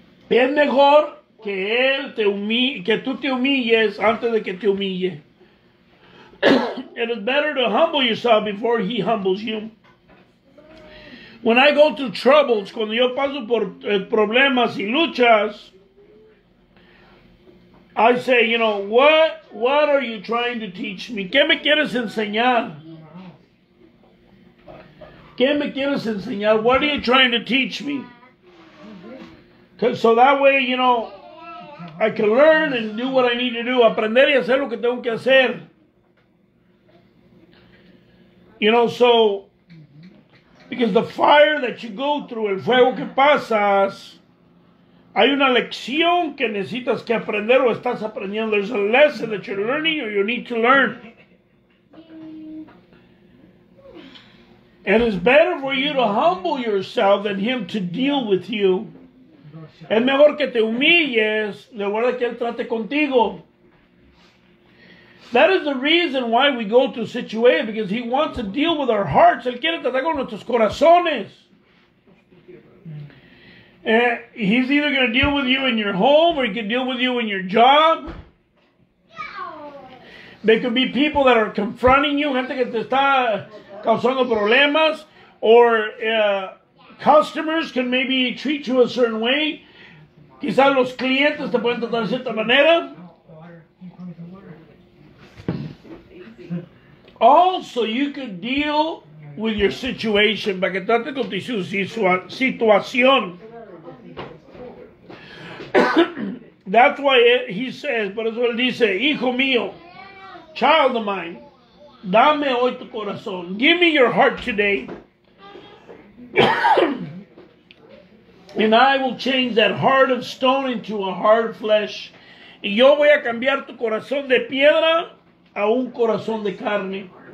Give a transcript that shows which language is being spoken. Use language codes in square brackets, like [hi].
[es] Es mejor que él te humille, que tú te humilles antes de que te humille. [en] It is better to humble yourself before he humbles you. When I go through troubles, [es] cuando yo paso por problemas y luchas, [en] I say, you know, what are you trying to teach me? [es] ¿Qué me quieres enseñar? ¿Qué me quieres enseñar? [en] What are you trying to teach me? So that way, you know, I can learn and do what I need to do. [es] Aprender y hacer lo que tengo que hacer. [en] You know, so, because the fire that you go through, [es] el fuego que pasas, hay una lección que necesitas que aprender o estás aprendiendo. [en] There's a lesson that you're learning or you need to learn. And it's better for you to humble yourself than him to deal with you. [es] Es mejor que te humilles, de verdad que él trate contigo. [en] That is the reason why we go to situation, because he wants to deal with our hearts. [es] Él quiere tratar con nuestros corazones. [en] And he's either going to deal with you in your home, or he can deal with you in your job. There could be people that are confronting you, [es] gente que te está causando problemas, [en] or customers can maybe treat you a certain way. [es] Quizás los clientes te pueden tratar de cierta manera. [en] Also, you could deal with your situation. [es] Para que trate con tu situación. [en] That's why he says, [es] por eso él dice, hijo mío, [en] child of mine, [es] dame hoy tu corazón. [en] Give me your heart today. And I will change that heart of stone into a heart of flesh. [es] Y yo voy a cambiar tu corazón de piedra a un corazón de carne.